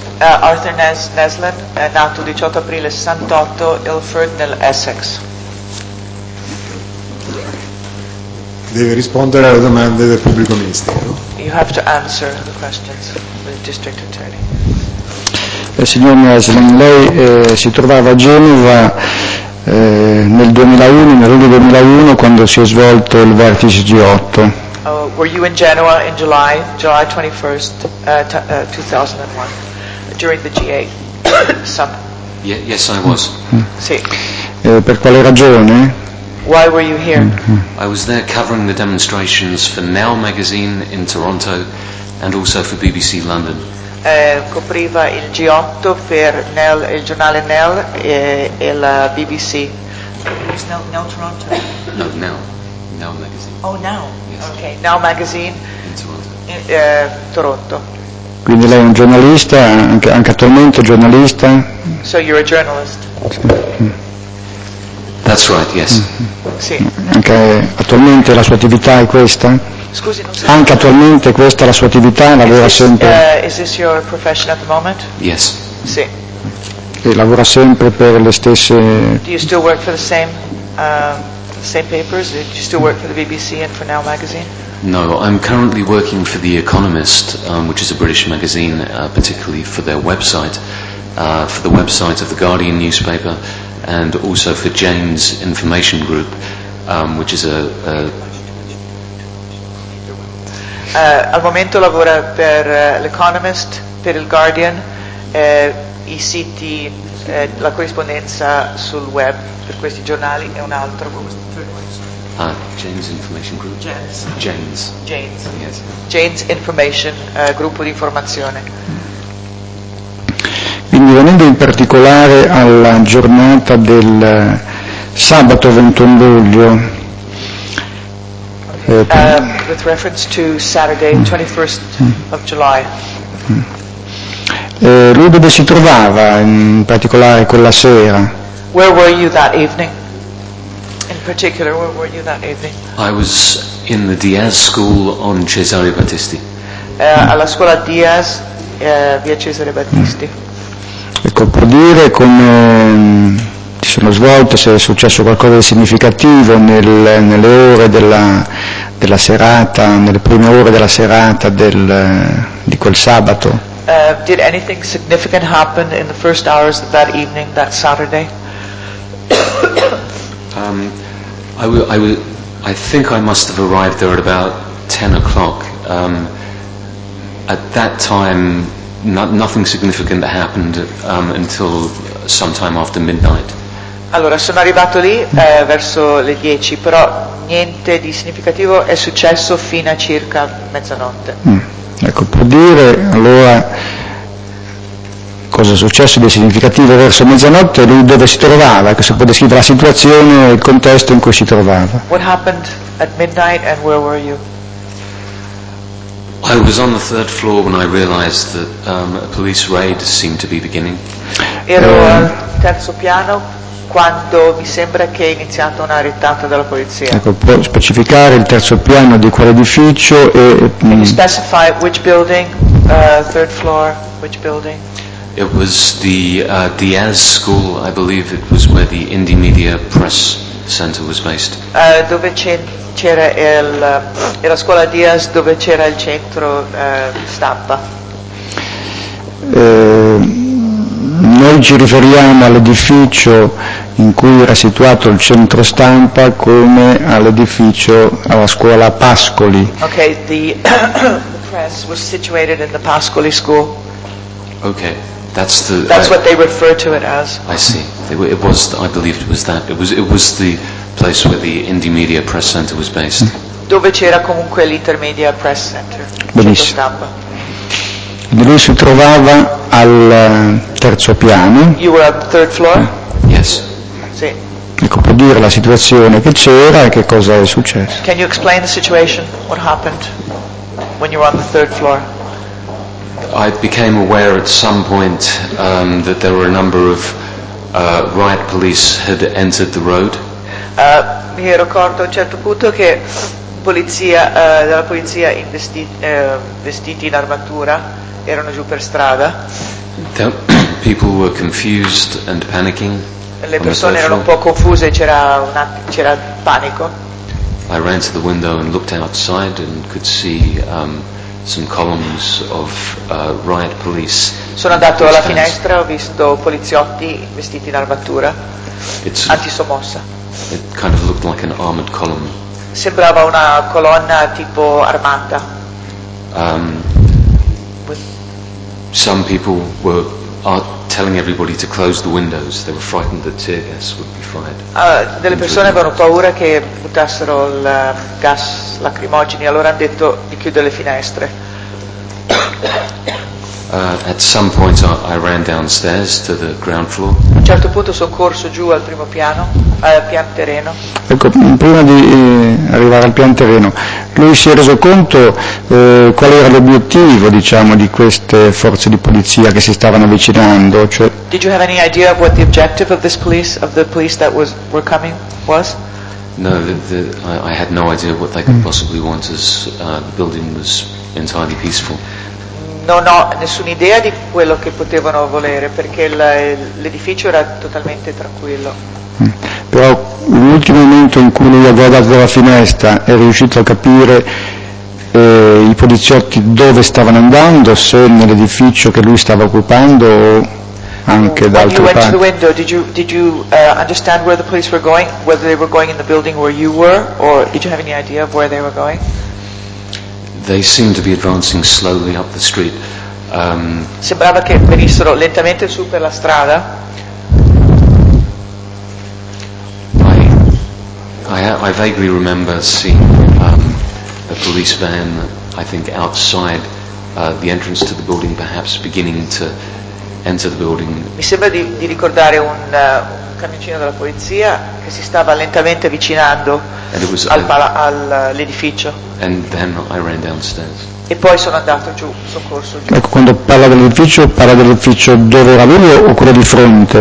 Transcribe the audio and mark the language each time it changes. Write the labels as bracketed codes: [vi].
[it] Arthur Meslin, nato 18 aprile 68, Ilford, nel Essex. Deve rispondere alle domande del pubblico ministero. [en] You have to answer the questions of the district attorney. [it] Signor Meslin, lei si trovava a Genova nel 2001, nel luglio 2001, quando si è svolto il vertice G8. [en] Were you in Genoa in July 21st 2001 during the G8 summit? Yes, I was. [it] Sì. Per quale ragione? [en] Why were you here? I was there covering the demonstrations for Now magazine in Toronto and also for BBC London. [it] Copriva il G8 per Nell, il giornale Nell e la BBC. [en] Is Nell Toronto? No, Nell Magazine. Oh, Now. Yes. Okay, Now Magazine. In Toronto. Toronto. [it] Quindi lei è un giornalista, anche attualmente giornalista? [en] So you're a journalist. That's right, yes. [it] Sì. Anche attualmente la sua attività è questa? Scusi, non so. Anche attualmente questa è la sua attività, lavora sempre. [en] Is this your profession at the moment? Yes. [it] Sì. E lavora sempre per le stesse. [en] Do you still work for the same same papers? Do you still work for the BBC and for Now magazine? No, I'm currently working for The Economist, which is a British magazine, particularly for their website, for the website of The Guardian newspaper, and also for James Information Group, which is a [it] Al momento lavora per l'Economist, per il Guardian, i siti, la corrispondenza sul web per questi giornali e un altro. [en] James Information Group. James. Yes. [it] James Information, gruppo di informazione. Quindi venendo in particolare alla giornata del sabato 21 luglio. [en] With reference to Saturday, 21st of July. [it] Lui dove si trovava in particolare quella sera? [en] Where were you that evening? In particular, where were you that evening? I was in the Diaz School on Cesare Battisti. [it] Alla scuola Diaz, via Cesare Battisti. Ecco, può dire come ti sono svolto, se è successo qualcosa di significativo nelle ore della serata, nelle prime ore della serata di quel sabato. [en] Did anything significant happen in the first hours of that evening, that Saturday? I think I must have arrived there at about 10 o'clock. At that time, nothing significant happened until sometime after midnight. [it] Allora, sono arrivato lì verso le 10, però niente di significativo è successo fino a circa mezzanotte. Ecco, per dire allora cosa è successo di significativo verso mezzanotte, lui dove si trovava, se può descrivere la situazione e il contesto in cui si trovava. [en] What happened at midnight and where were you? I was on the third floor when I realized that a police raid seemed to be beginning. [it] Ero al terzo piano quando mi sembra che è iniziata una rettata della polizia. Ecco, può specificare il terzo piano di quell'edificio e... [en] Can you specify which building, third floor, which building? It was the Diaz School, I believe it was where the Indie Media Press Center was based. [it] Dove c'era era scuola Diaz, dove c'era il centro stampa. Noi ci riferiamo all'edificio in cui era situato il centro stampa come all'edificio, alla scuola Pascoli. [en] Ok, the press was situated in the Pascoli School. Ok. That's the. That's what they refer to it as. I see. It was. I believe it was that. It was the place where the Indie Media Press Center was based. [it] Dove c'era comunque l'Intermedia Press Center. Benissimo. Lui si trovava al terzo piano. [en] You were at the third floor. Yes. [it] Sì. Ecco, per dire la situazione che c'era e che cosa è successo. [en] Can you explain the situation? What happened when you were on the third floor? I became aware at some point that there were a number of riot police had entered the road. [it] Mi ero accorto a un certo punto che polizia della polizia vestiti in armatura erano giù per strada. [en] People were confused and panicking. [it] Le persone erano un po' confuse, c'era panico. [en] I ran to the window and looked outside and could see some columns of riot police. [it] Sono andato alla finestra, ho visto poliziotti vestiti in armatura. It's antisommossa. [en] It kind of looked like an armored column. [it] Sembrava una colonna tipo armata. [en] Some people were telling everybody to close the windows. They were frightened that tear gas would be fired. [it] Delle persone avevano paura che buttassero il gas lacrimogeni, allora hanno detto di chiudere le finestre. [en] At some point I ran downstairs to the ground floor. [it] A un certo punto sono corso giù al primo piano, al pian terreno. Ecco, prima di arrivare al pian terreno, lui si è reso conto qual era l'obiettivo, diciamo, di queste forze di polizia che si stavano avvicinando? Cioè... [en] Did you have any idea of what the objective of this police, of the police that was were coming, was? No, I had no idea what they could possibly want, as the building was entirely peaceful. [it] Non ho nessuna idea di quello che potevano volere, perché l'edificio era totalmente tranquillo. Però l'ultimo momento in cui lui ha guardato dalla finestra è riuscito a capire i poliziotti dove stavano andando, se nell'edificio che lui stava occupando o anche da altre parti. [en] When you went to the window, did you understand where the police were going, whether they were going in the building where you were, or did you have any idea of where they were going? They seemed to be advancing slowly up the street. [it] Sembrava che venissero lentamente su per la strada. [en] I vaguely remember seeing a police van, I think, outside the entrance to the building, perhaps beginning to enter the building. [it] Mi sembra di ricordare un camioncino della polizia che si stava lentamente avvicinando all'edificio. [en] And then I ran downstairs. [it] E poi sono andato giù, sono corso giù. Ecco, quando parla dell'edificio dove era lui o quello di fronte?